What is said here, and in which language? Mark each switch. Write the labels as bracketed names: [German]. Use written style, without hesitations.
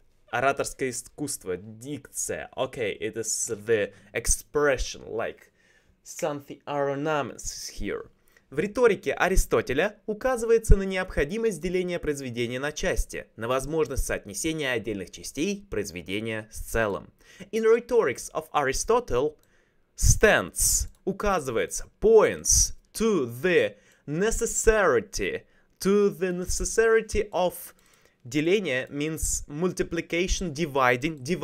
[Russian] Ораторское искусство, дикция. [English] Okay, it is the expression, like something ornaments is here. [Russian] В риторике Аристотеля указывается на необходимость деления произведения на части, на возможность соотнесения отдельных частей произведения с целым. [English] In rhetorics of Aristotle, stands указывается, points to the necessity of деление means multiplication, dividing,